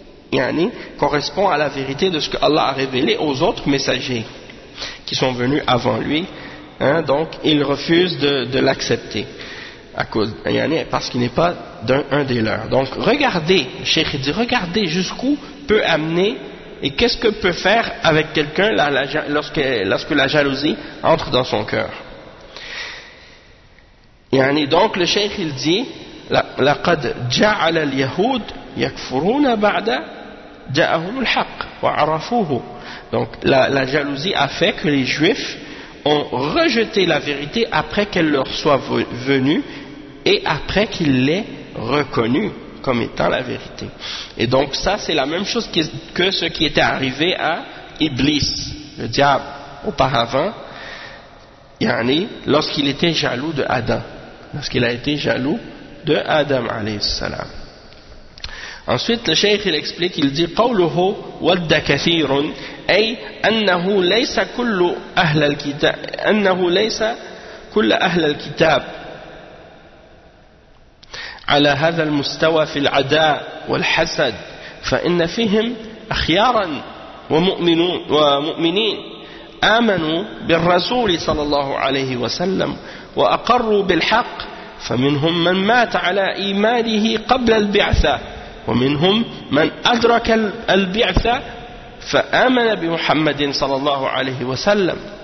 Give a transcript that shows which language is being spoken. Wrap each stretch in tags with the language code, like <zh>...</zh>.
<fr>yani, correspond à la vérité de ce que Allah a révélé aux autres messagers qui sont venus avant lui, hein, donc ils refusent de l'accepter à cause, yani, parce qu'il n'est pas un des leurs. Donc regardez, Cheikh dit, regardez jusqu'où peut amener. Et qu'est-ce que peut faire avec quelqu'un lorsque la jalousie entre dans son cœur? Yani, donc le cheikh il dit</fr> <ar>لقد جعل اليهود يكفرون بعد جاءهم الحق وعرفوه.</ar> <fr>Donc la jalousie a fait que les juifs ont rejeté la vérité après qu'elle leur soit venue et après qu'ils l'aient reconnue comme étant la vérité. Et donc ça, c'est la même chose que ce qui était arrivé à Iblis, le diable, auparavant, yani, lorsqu'il était jaloux de Adam. Lorsqu'il a été jaloux de Adam, alayhi salam. Ensuite, le cheikh il explique, il dit</fr> <ar>قوله ود كثير أي أنه ليس كل أهل الكتاب أنه ليس كل أهل الكتاب على هذا المستوى في العداء والحسد فإن فيهم أخيارا ومؤمنين آمنوا بالرسول صلى الله عليه وسلم وأقروا بالحق فمنهم من مات على إيمانه قبل البعثة ومنهم من أدرك البعثة فآمن بمحمد صلى الله عليه وسلم</ar>